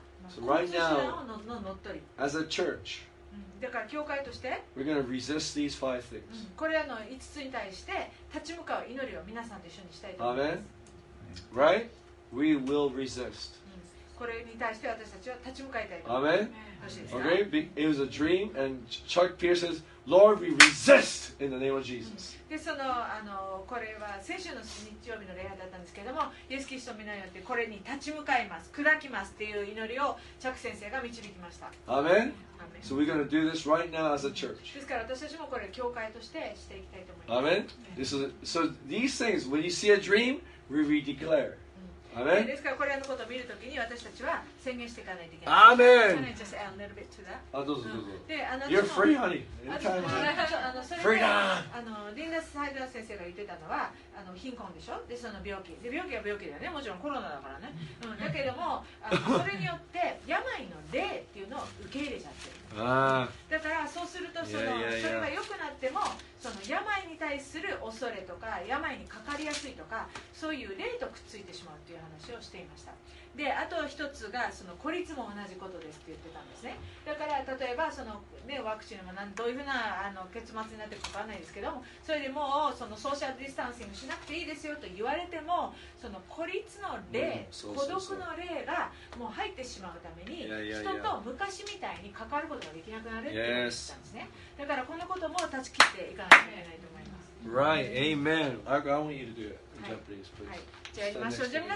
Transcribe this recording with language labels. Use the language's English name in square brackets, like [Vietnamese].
[English] So right now, as a church, [Japanese] だから教会として [English] we're going to resist these five things. [Japanese] これ5つに対して立ち向かう祈りを皆さんと一緒にしたいと思います。 [English] Amen. Right? We will resist. [Japanese] ここれに対して私たちは立ち向かいたい。アメン。 [English] Okay, it was a dream, and Chuck Pierce says, "Lord, we resist in the name of Jesus." [Japanese] で、その、あの、これは先週の日曜日の礼拝だったんですけども、イエス・キリストの名によってこれに立ち向かいます、砕きますっていう祈りをチャック先生が導きました。アメン。 [English] So we're going to do this right now as a church. [Japanese] ですから私たちもこれ教会としてしていきたいと思います。アメン。 [English] This is, so these things, when you see a dream, we redeclare. [Japanese] ですからこれらのことを見るときに私たちは宣言していかないといけない。アーメン。 [English] Can I just add a little bit to that? [Japanese] あ、どうぞどうぞ。で、あの、 [English] You're free, honey. Anytime. [Japanese] Free だ。あの、リンダス・サイダー先生が言ってたのは、あの、貧困でしょ。で、その病気。で、病気は病気だよね。もちろんコロナだからね。うん、だけども、あの、それによって病の霊っていうのを受け入れちゃってる。あ、だからそうするとその、yeah, yeah, yeah. それが良くなっても、その病に対する恐れとか病にかかりやすいとかそういう霊とくっついてしまうという話をしていました。で、あと一つがその孤立も同じことですって言ってたんですね。だから例えばその、ね、ワクチンもどういうふうなあの結末になってるか分からないですけども、それでもうそのソーシャルディスタンシングしなくていいですよと言われても、その孤立の霊、孤独の霊がもう入ってしまうために人と昔みたいに関わることができなくなるって言ってたんですね。だからこのことも断ち切っていかないといけないと思います。 [English] Right, amen. I want you to do it in Japanese, please.